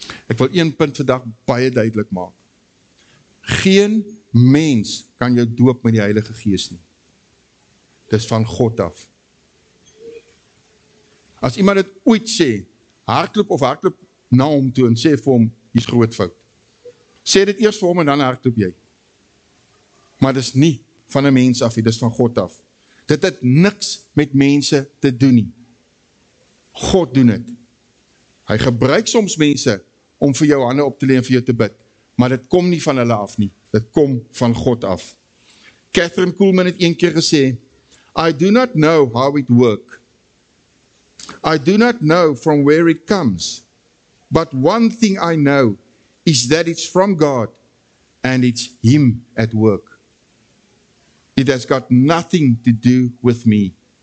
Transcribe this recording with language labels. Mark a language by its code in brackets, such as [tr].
[af] Ek wil een punt vandag baie duidelik maak. Geen mens kan jou doop met die Heilige Gees nie. Dis van God af. As iemand dit ooit sê, hardloop na hom toe en sê vir hom, hier's groot fout. Sê dit eers vir hom en dan hardloop jy. Maar dis nie van 'n mens af nie, dis van God af. Dit het niks met mense te doen nie. God doen dit. Hy gebruik soms mense om vir jou hande op te lê en vir jou te bid. Maar dit kom nie van hulle af nie. Dit kom van God af. [en] Catherine Kuhlman [af] het een keer gesê, [en] I do not know how it works. I do not know from where it comes. But one thing I know is that it's from God and it's Him at work. It has got nothing to do with me.